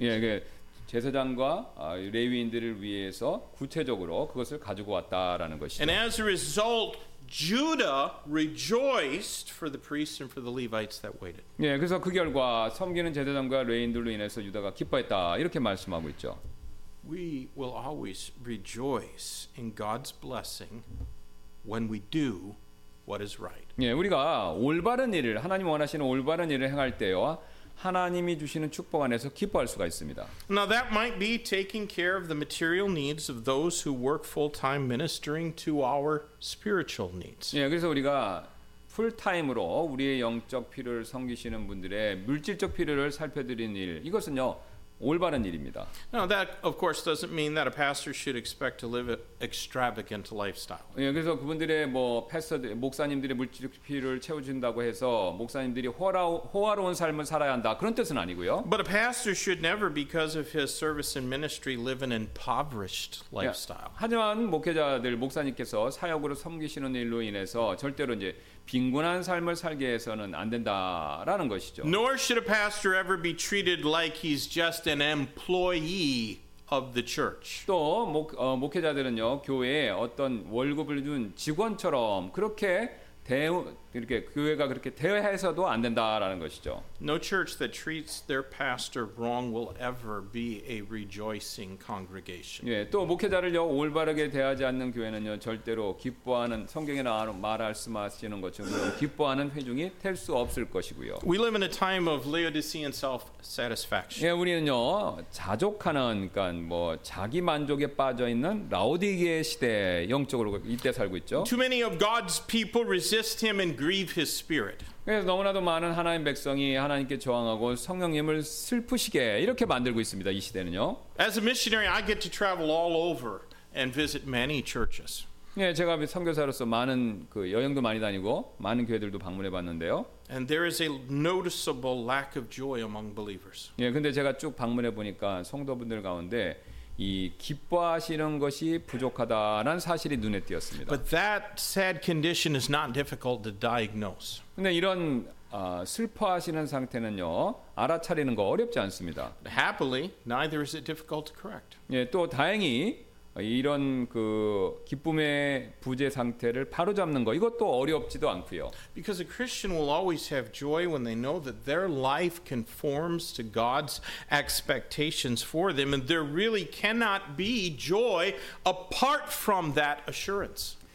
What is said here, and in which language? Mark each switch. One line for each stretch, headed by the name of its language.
Korean: 예, 그 제사장과 레위인들을 위해서 구체적으로 그것을 가지고 왔다라는 것이죠.
English: And as a result, Judah rejoiced for the priests and for the Levites that waited.
Korean: 예, 그래서 그 결과 섬기는 제사장과 레인들로 인해서 유다가 기뻐했다 이렇게 말씀하고 있죠.
English: We will always rejoice in God's blessing when we do what is right.
Korean: 예, 우리가 올바른 일을 하나님 원하시는 올바른 일을 행할 때와 하나님이 주시는 축복 안에서 기뻐할 수가 있습니다.
English: Now that might be taking care of the material needs of those who work full-time ministering to our spiritual needs.
Korean: 예, 그래서 우리가 풀타임으로 우리의 영적 필요를 섬기시는 분들의 물질적 필요를 살펴드리는 일, 이것은요 올바른 일입니다.
English: Now that of course doesn't mean that a pastor should expect to live an extravagant lifestyle.
Korean: 예, 그래서 그분들의 뭐 패스터들 목사님들의 물질적 필요를 채워 준다고 해서 목사님들이 호화로운 삶을 살아야 한다. 그런 뜻은 아니고요.
English: But a pastor should never because of his service and ministry live an impoverished lifestyle.
Korean: 예, 하지만 목회자들 목사님께서 사역으로 섬기시는 일로 인해서 절대로 이제 빈곤한 삶을 살게 해서는 안 된다라는 것이죠.
English: Nor should a pastor ever be treated like he's just an employee of the church.
Korean: 또 목회자들은요 교회에 어떤 월급을 준 직원처럼 그렇게 이렇게 교회가 그렇게 대해서도 안 된다라는 것이죠.
English: No church that treats their pastor wrong will ever be a rejoicing congregation.
Korean: 예, 또 목회자를요 올바르게 대하지 않는 교회는요 절대로 기뻐하는 성경에 말씀하시는 것처럼 기뻐하는 회중이 될 수 없을 것이고요.
English: We live in a time of Laodicean self-satisfaction.
Korean: 예, 우리는요 자족하는 그러니까 뭐 자기 만족에 빠져 있는 라오디게 시대 영적으로 이때 살고 있죠.
English: Too many of God's people resist resist him and grieve his spirit.
Korean: 그래서 너무나도 많은 하나님 백성이 하나님께 저항하고 성령님을 슬프시게 이렇게 만들고 있습니다. 이 시대는요.
English: As a missionary, I get to travel all over and visit many churches.
Korean: 예, 제가 선교사로서 많은 그 여행도 많이 다니고 많은 교회들도 방문해 봤는데요.
English: And there is a noticeable lack of joy among believers.
Korean: 예, 근데 제가 쭉 방문해 보니까 성도분들 가운데 이 기뻐하시는 것이 부족하다라는 사실이 눈에 띄었습니다.
English: But that sad condition is not difficult to diagnose.
Korean: 근데 이런 슬퍼하시는 상태는요 알아차리는 거 어렵지 않습니다.
English: Happily, neither is it difficult to correct.
Korean: 예, 또 다행히 이런 그 기쁨의 부재 상태를 바로 잡는 거 이것도 어렵지도 않고요.
English: Because a Christian will always have joy when they know that their life conforms to God's expectations for them, and there really cannot be joy apart from that assurance.